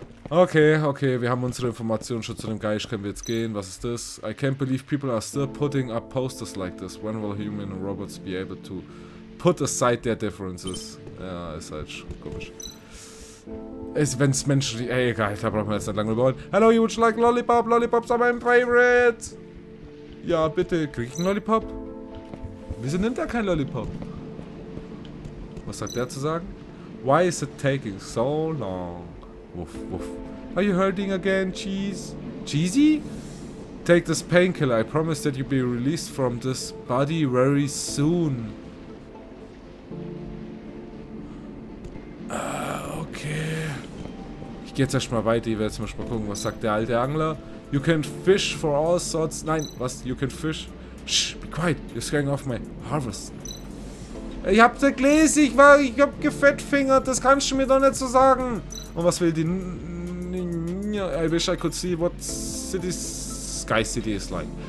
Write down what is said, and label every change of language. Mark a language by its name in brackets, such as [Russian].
[German] Okay, wir haben unsere Informationen schon zu dem Geist, können wir jetzt gehen, was ist das? [English] I can't believe people are still putting up posters like this. When will human and robots be able to put aside their differences? [German] Ja, ist halt schon komisch. Wenn es menschlich... Ey, egal, da brauchen wir jetzt nicht lange überholen. [English] Hello, you would like Lollipop? Lollipops are my favorite! [German] Ja, bitte, krieg ich einen Lollipop? [English] Wieso nimmt er keinen Lollipop? Was hat der zu sagen? Why is it taking so long? Woof, woof. Are you hurting again, Cheese? Cheesy? Take this painkiller. I promise that you'll be released from this body very soon. [German] Okay. Ich geh jetzt erstmal weiter. Ich werde jetzt erstmal gucken, was sagt der alte Angler. [English] You can fish for all sorts. [German] Nein, was? [English] You can fish? Shh, be quiet. You're scaring off my harvest. [German] Ich hab da gelesen, ich hab gefettfingert, das kannst du mir doch nicht so sagen. Und was will die... [English] I wish I could see what city Sky City is like.